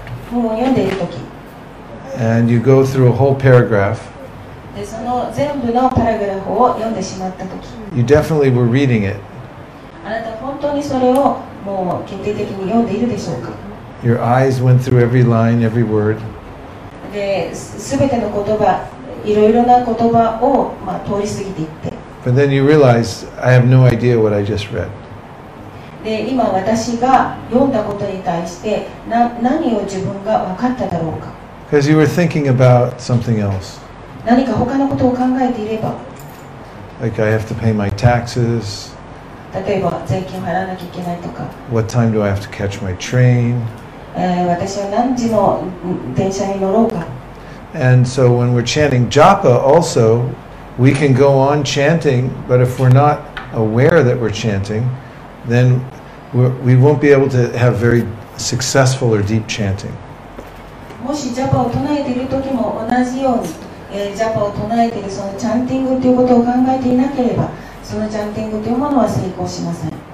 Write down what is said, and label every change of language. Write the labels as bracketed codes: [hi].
[ja] 本を読んでいるとき、 [en] and you go through a whole paragraph, [ja] でその全部のパラグラフを読んでしまったとき、 [en] you definitely were reading it. [ja] あなた本当にそれをもう決定的に読んでいるでしょうか。 [en] Your eyes went through every line, every word. [ja] で、すべての言葉、いろいろな言葉を、まあ、通り過ぎていって。 [en] But then you realize, I have no idea what I just read. [ja] で、今私が読んだことに対して、何を自分が分かっただろうか。 [en] Because you were thinking about something else. [ja] 何か他のことを考えていれば。 [en] Like I have to pay my taxes. [ja] 例えば税金払わなきゃいけないとか。 [en] What time do I have to catch my train? [ja] 私は何時の電車に乗ろうか。 [en] And so when we're chanting Japa also, we can go on chanting, but if we're not aware that we're chanting, then we won't be able to have very successful or deep chanting. [ja] もしジャパを唱えている時も同じように、japa を唱えているそのチャンティングということを考えていなければそのチャンティングというものは成功しません。